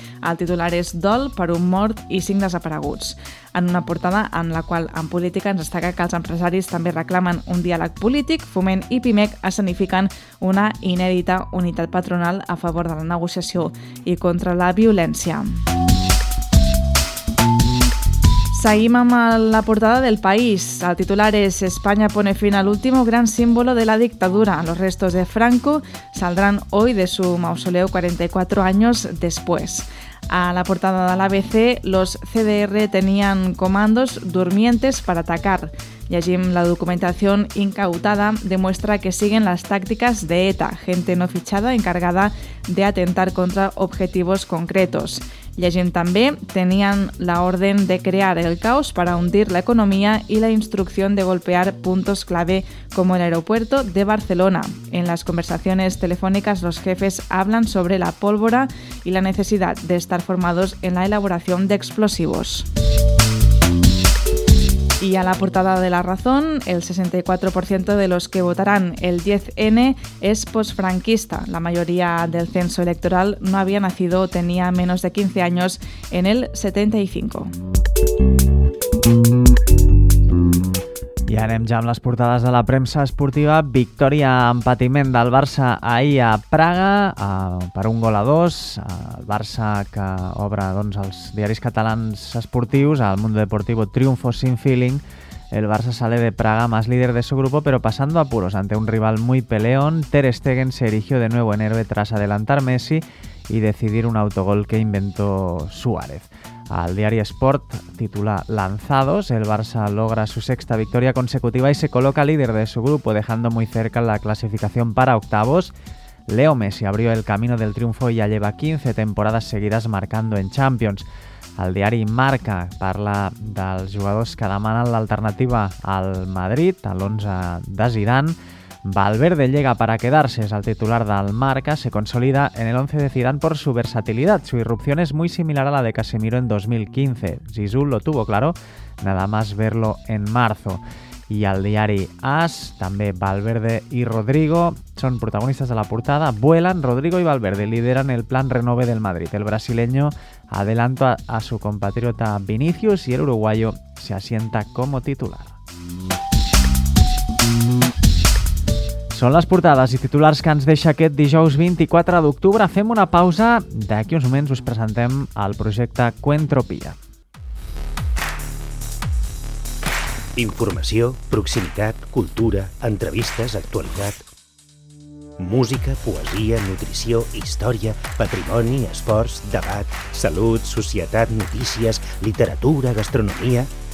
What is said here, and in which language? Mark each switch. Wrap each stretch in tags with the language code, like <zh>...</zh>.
<ca>El titular és Dol per un mort i 5 desapareguts. En una portada en la qual en política ens destaca que els empresaris també reclamen un diàleg polític, Foment i Pimec escenifiquen una inèdita unitat patronal a favor de la negociació i contra la violència. Seguim amb la portada del País. El titular és</ca> <es>España pone fin al último gran símbolo de la dictadura. Los restos de Franco saldrán hoy de su mausoleo 44 años después.</es> <ca>A la portada de l'ABC,</ca> <es>los CDR tenían comandos durmientes para atacar.</es> <ca>Llegim,</ca> <es>la documentación incautada demuestra que siguen las tácticas de ETA, gente no fichada encargada de atentar contra objetivos concretos.</es> <ca>Llegim també,</ca> <es>tenían la orden de crear el caos para hundir la economía y la instrucción de golpear puntos clave como el aeropuerto de Barcelona. En las conversaciones telefónicas los jefes hablan sobre la pólvora y la necesidad de estar formados en la elaboración de explosivos. Y a la portada de La Razón, el 64% de los que votarán el 10N es posfranquista. La mayoría del censo electoral no había nacido o tenía menos de 15 años en el 75.</es> <ca>I anem ja amb les portades de la premsa esportiva. Victòria en patiment del Barça ahir a Praga per 1-2. El Barça que obre doncs, els diaris catalans esportius, al Mundo Deportivo</ca> <es>triunfo sin feeling. El Barça sale de Praga más líder de su grupo, pero pasando apuros ante un rival muy peleón. Ter Stegen se erigió de nuevo en héroe tras adelantar Messi y decidir un autogol que inventó Suárez.</es> <ca>Al diari Sport titula</ca> <es>Lanzados, el Barça logra su sexta victoria consecutiva y se coloca líder de su grupo, dejando muy cerca la clasificación para octavos. Leo Messi abrió el camino del triunfo y ya lleva 15 temporadas seguidas marcando en Champions.</es> <ca>Al diari Marca parla dels jugadors que demanen l'alternativa al Madrid, a l'11 de Zidane.</ca> <es>Valverde llega para quedarse, es el titular del Marca, se consolida en el 11 de Zidane por su versatilidad. Su irrupción es muy similar a la de Casemiro en 2015. Zizou lo tuvo claro, nada más verlo en marzo. Y</es> <ca>al diari</ca> <es>AS, también Valverde y Rodrigo son protagonistas de la portada. Vuelan, Rodrigo y Valverde lideran el plan Renove del Madrid. El brasileño adelanta a su compatriota Vinicius y el uruguayo se asienta como titular.</es> <ca>Són les portades i titulars que ens deixa aquest dijous 24 d'octubre. Fem una pausa. D'aquí uns moments us presentem el projecte Cuentropia. Informació, proximitat, cultura, entrevistes, actualitat, música, poesia, nutrició, història, patrimoni, esports, debat, salut, societat, notícies, literatura, gastronomia...</ca>